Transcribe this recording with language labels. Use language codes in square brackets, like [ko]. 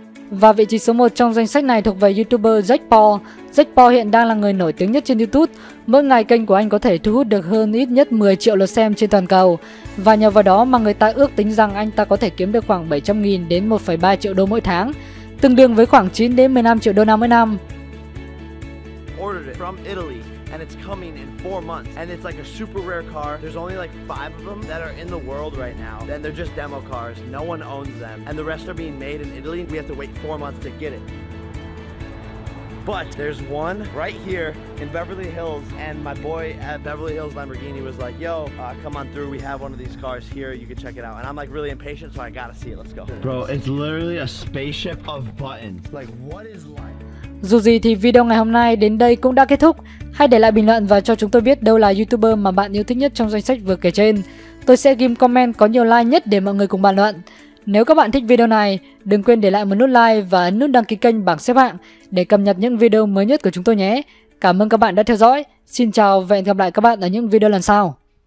[vi] Và vị trí số 1 trong danh sách này thuộc về YouTuber Jake Paul. Jake Paul hiện đang là người nổi tiếng nhất trên YouTube. Mỗi ngày kênh của anh có thể thu hút được hơn ít nhất 10 triệu lượt xem trên toàn cầu. Và nhờ vào đó mà người ta ước tính rằng anh ta có thể kiếm được khoảng 700.000 đến 1,3 triệu đô mỗi tháng, tương đương với khoảng 9 đến 15 triệu đô la mỗi năm. [en] From Italy, and it's coming in 4 months, and it's like a super rare car. There's only like 5 of them that are in the world right now, and they're just demo cars. No one owns them, and the rest are being made in Italy. We have to wait 4 months to get it. But there's one right here in Beverly Hills, and my boy at Beverly Hills Lamborghini was like, yo, come on through, we have one of these cars here, you can check it out. And I'm like really impatient, so I gotta see it. Let's go. Bro, it's literally a spaceship of buttons. Like, what is life? [vi] Dù gì thì video ngày hôm nay đến đây cũng đã kết thúc. Hãy để lại bình luận và cho chúng tôi biết đâu là YouTuber mà bạn yêu thích nhất trong danh sách vừa kể trên. Tôi sẽ ghim comment có nhiều like nhất để mọi người cùng bàn luận. Nếu các bạn thích video này, đừng quên để lại một nút like và ấn nút đăng ký kênh bảng xếp hạng để cập nhật những video mới nhất của chúng tôi nhé. Cảm ơn các bạn đã theo dõi. Xin chào và hẹn gặp lại các bạn ở những video lần sau.